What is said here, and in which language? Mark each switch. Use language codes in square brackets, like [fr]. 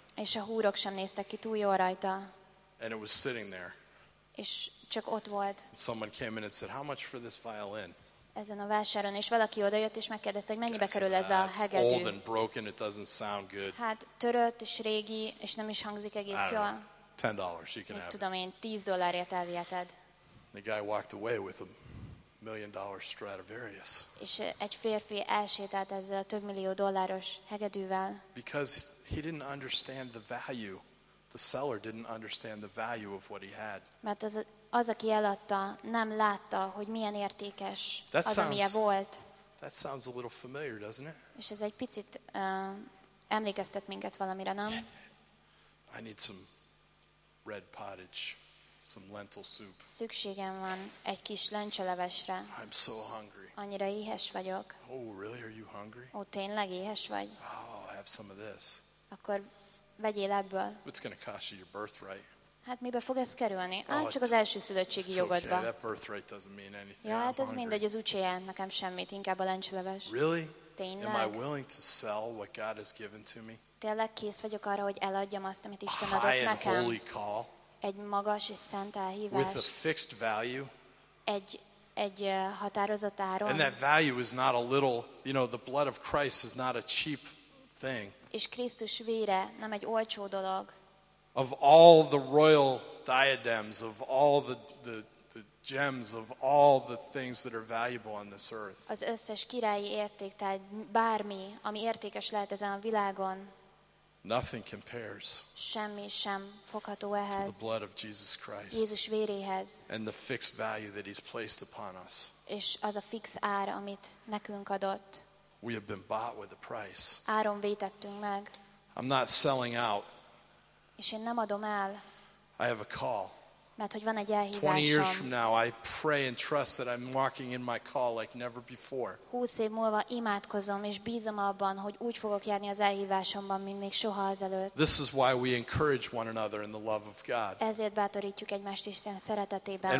[hu] És a húrok sem néztek ki túl jól rajta. [en] And it was sitting there. [hu] És csak ott volt. [en] Someone came in and said, "How much for this violin?" [hu] Ezen a vásáron és valaki odajött és megkérdezte, hogy mennyibe kerül ez a hegedű. [en] Old and broken, it doesn't sound good. [hu] Hát törött és régi és nem is hangzik egész jól. [en] $10, you can have it. [hu] Tudom én, $10 elviheted. [en] The guy walked away with a $1 million Stradivarius. [hu] És egy férfi elsétált ezzel a több millió dolláros hegedűvel. [en] Because he didn't understand the value. The seller didn't understand the value of what he had. [hu] Mert az aki eladta, nem látta, hogy milyen értékes az, amilyen volt. [en] That sounds a little familiar, doesn't it? [hu] És ez egy picit emlékeztet minket valamire, nem? [en] I need some red pottage, some lentil soup. [hu] Szükségem van egy kis lencselevesre. [en] I'm so hungry. [hu] Annyira éhes vagyok. [en] Oh, really? Are you hungry? [hu] Ó, tényleg éhes vagy? [en] Oh, have some of this. [hu] Akkor vegyél ebből. [en] What's going to cost you your birthright? [hu] Hát mibe fog ez kerülni? Csak az első szülöttségi jogodba. [en] Okay. That birthright doesn't mean anything. [hu] Ja, [en] I'm [hu] hát ez mindegy, az úgy jelent nekem semmit, inkább a lencseleves. [en] Really? [hu] Tényleg? [en] Am I willing to sell what God has given to me? [hu] Tényleg kész vagyok arra, hogy eladjam azt, amit Isten adott [en] high [hu] nekem. [en] And holy call. [hu] Egy magas és szent elhívás. [en] With a fixed value. [hu] Egy határozott áron. [en] And that value is not a little, you know, the blood of Christ is not a cheap thing. [hu] És Krisztus vére nem egy olcsó dolog. [en] Of all the royal diadems, of all the gems, of all the things that are valuable on this earth. [hu] Az összes királyi érték, tehát bármi, ami értékes lehet ezen a világon. [en] Nothing compares. [hu] Semmi sem fogható ehhez. [en] To the blood of Jesus Christ. [hu] Jézus véréhez. [en] And the fixed value that he's placed upon us. [hu] És az a fix ár, amit nekünk adott. [en] We have been bought with a price. [hu] Áron vétettünk meg. [en] I'm not selling out. [hu] És én nem adom el. [en] I have a call. [hu] Mert hogy van egy elhívásom. [en] 20 years from now, I pray and trust that I'm walking in my call like never before. [hu] 20 év múlva imádkozom és bízom abban, hogy úgy fogok járni az elhívásomban, mint még soha azelőtt. [en] This is why we encourage one another in the love of God. [hu] Ezért bátorítjuk egymást Isten szeretetében.